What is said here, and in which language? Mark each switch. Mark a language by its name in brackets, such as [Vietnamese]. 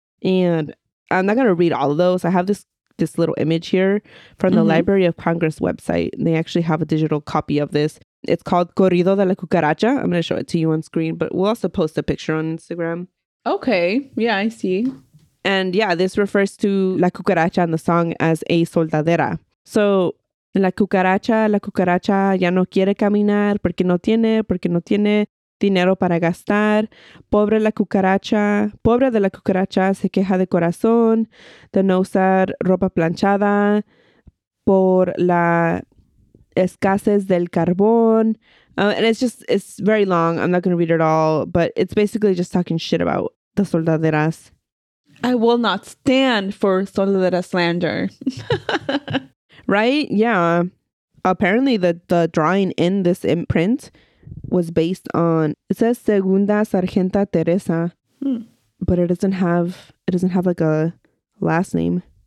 [English] And I'm not going to read all of those. I have this little image here from the mm-hmm. Library of Congress website. They actually have a digital copy of this. It's called Corrido de la Cucaracha. I'm going to show it to you on screen, but we'll also post a picture on Instagram. Okay. Yeah, I see. And yeah, this refers to La Cucaracha and the song as a soldadera. [Spanish] So La cucaracha ya no quiere caminar porque no tiene dinero para gastar. Pobre la cucaracha, pobre de la cucaracha se queja de corazón de no usar ropa planchada por la escasez del carbón. [English] And it's very long. I'm not going to read it all, but it's basically just talking shit about the soldaderas. I will not stand for soldadera slander. Right? Yeah. Apparently the drawing in this imprint was based on, it says Segunda Sargenta Teresa, but it doesn't have like a last name.